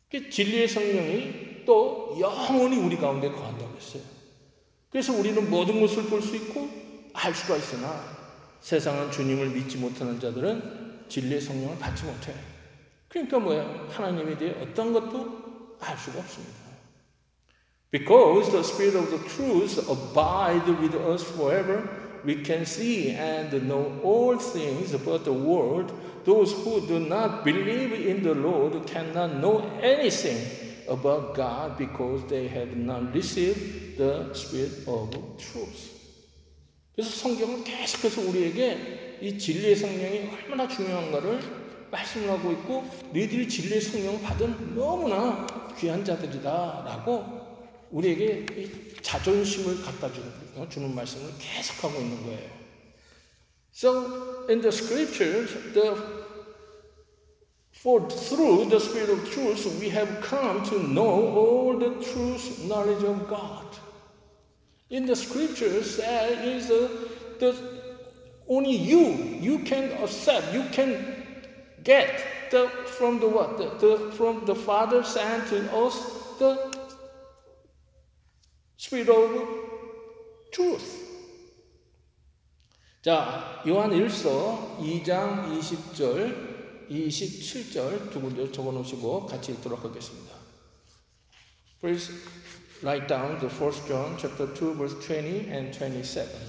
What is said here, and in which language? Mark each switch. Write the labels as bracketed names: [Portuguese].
[Korean] 진리의 성령이 또 영원히 우리 가운데 거한다고 했어요. 그래서 우리는 모든 것을 볼 수 있고 알 수가 있으나 세상은 주님을 믿지 못하는 자들은 진리의 성령을 받지 못해. 그러니까 뭐야? 하나님에 대해 어떤 것도 알 수가 없습니다. [English] Because the Spirit of the truth abides with us forever, we can see and know all things about the world. Those who do not believe in the Lord cannot know anything about God because they have not received the Spirit of truth. [Korean] 그래서 성경은 계속해서 우리에게 이 진리의 성령이 얼마나 중요한가를 말씀을 하고 있고 너희들이 진리의 성령을 받은 너무나 귀한 자들이다 라고 우리에게 이 자존심을 갖다 주는 말씀을 계속하고 있는 거예요. [English] So in the scriptures, for through the Spirit of truth, we have come to know all the truth knowledge of God. In the scriptures, that is the only you can accept, you can get from the Father sent to us the Spirit of truth. [Korean] 자, 요한일서 2장 20절, 27절 두 군데 적어놓으시고 같이 읽도록 하겠습니다. [English] Please write down the 1 John chapter 2 verse 20 and 27.